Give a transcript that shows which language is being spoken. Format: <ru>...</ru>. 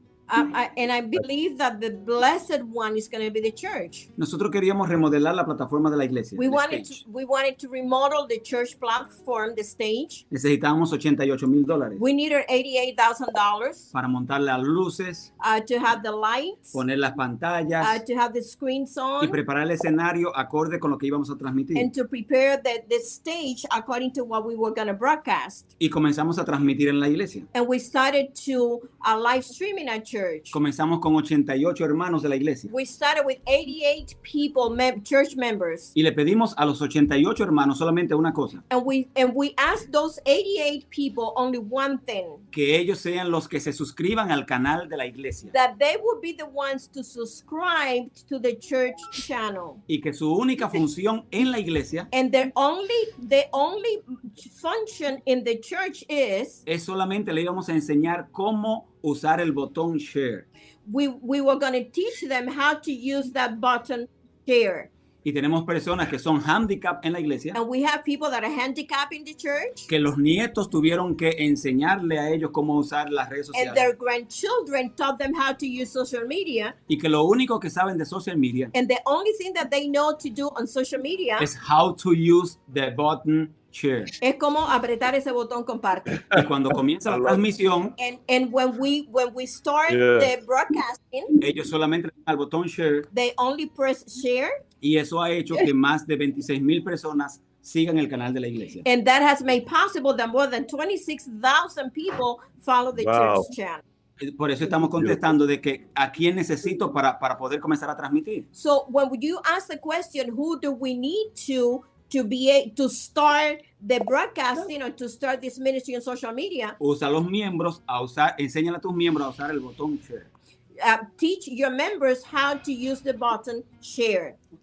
<en>And I believe that the blessed one is going to be the church.</en> <es>Nosotros queríamos remodelar la plataforma de la iglesia.</es> <en>We wanted to remodel the church platform, the stage.</en> <es>Necesitábamos $88,000.</es> <en>We needed $88,000</en> <es>para montar las luces,</es> <en>to have the lights,</en> <es>poner las pantallas,</es> <en>to have the screens on,</en> <es>y preparar el escenario acorde con lo que íbamos a transmitir.</es> <en>And to prepare the stage according to what we were going to broadcast.</en> <es>Y comenzamos a transmitir en la iglesia.</es> <en>And we started to live streaming at church. church.</en> <es>Comenzamos con 88 hermanos de la iglesia.</es> <en>We started with 88 people, church members.</en> <es>Y le pedimos a los 88 hermanos solamente una cosa.</es> <en>And we asked those 88 people only one thing.</en> <es>Que ellos sean los que se suscriban al canal de la iglesia.</es> <en>That they would be the ones to subscribe to the church channel.</en> <es>Y que su única función en la iglesia.</es> <en>And the only function in the church is.</en> <es>Es solamente le íbamos a enseñar cómo usar el botón share.</es> <en>We were going to teach them how to use that button share.</en> <es>Y tenemos personas que son handicapped en la iglesia.</es> <en>And we have people that are handicapped in the church.</en> <es>Que los nietos tuvieron que enseñarle a ellos cómo usar las redes sociales.</es> <en>And their grandchildren taught them how to use social media.</en> <es>Y que lo único que saben de</es> <en>social media. And the only thing that they know to do on social media. Is how to use the button share.</en> <es>Es como apretar ese botón comparte. Y cuando comienza la transmisión.</es> <en>And when we start yeah. the broadcasting.</en> <es>Ellos solamente le dan al botón share.</es> <en>They only press share.</en> <es>Y eso ha hecho que más de 26,000 personas sigan el canal de la iglesia.</es> <en>And that has made possible that more than 26,000 people follow the wow. church channel.</en> <es>Por eso estamos contestando de que a quién necesito para poder comenzar a transmitir.</es> <en>So when you ask the question, who do we need to start the broadcasting or to start this ministry on social media?</en> <es>Usa los miembros a usar, enséñale a tus miembros a usar el botón share.</es> <en>Teach your members how to use the button share.</en>